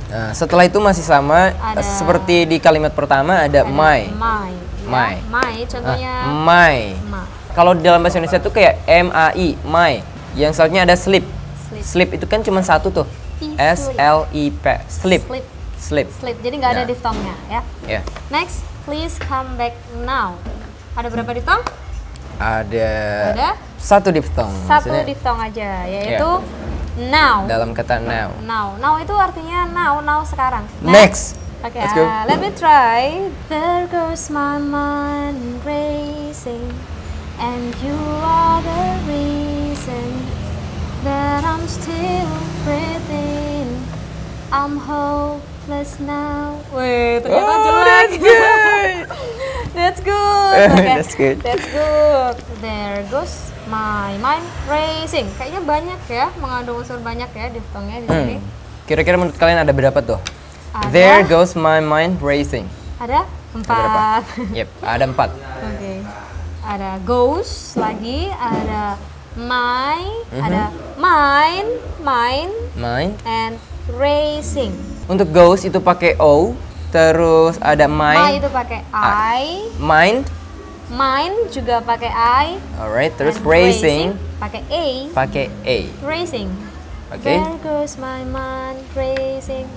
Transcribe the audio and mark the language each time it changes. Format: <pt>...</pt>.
<id>Nah, setelah itu masih sama ada, seperti di kalimat pertama ada my. My. Contohnya my. Kalau dalam bahasa Indonesia itu kayak M A I, my. Yang selanjutnya ada sleep.</id> <en>Sleep</en> <id>itu kan cuma satu tuh. S L E P. Sleep. Jadi enggak ada diphthongnya, ya.</id> <en>Yeah. Next, please come back now.</en> <id>Ada berapa diphthong? Ada satu diphthong. Satu diphthong aja, yaitu now. Dalam kata now. Now itu artinya now sekarang.</id> <en>Next. Okay, let's go. Let me try. There goes my mind racing, and you are the reason that I'm still breathing. I'm hopeless now. Wait,</en> <id>ternyata jelek.</id> <en>That's good. That's good. There goes my mind racing.</en> <id>Kayaknya banyak ya, mengandung unsur banyak ya diphthongnya di sini. Kira-kira menurut kalian ada berapa tuh? Ada.</id> <en>There goes my mind racing.</en> <id>Ada 4. Ada 4. Oke. ada ghost lagi, ada my, ada mine,</id> <en>mine, and racing.</en> <id>Untuk ghost itu pakai O, terus ada mine. My itu pakai I.</id> <en>Mine</en> <id>juga pakai I.</id> <en>Alright, terus and racing.</en> <id>Pakai A. Racing.</id> <en>Okay. There goes my mind racing.</en>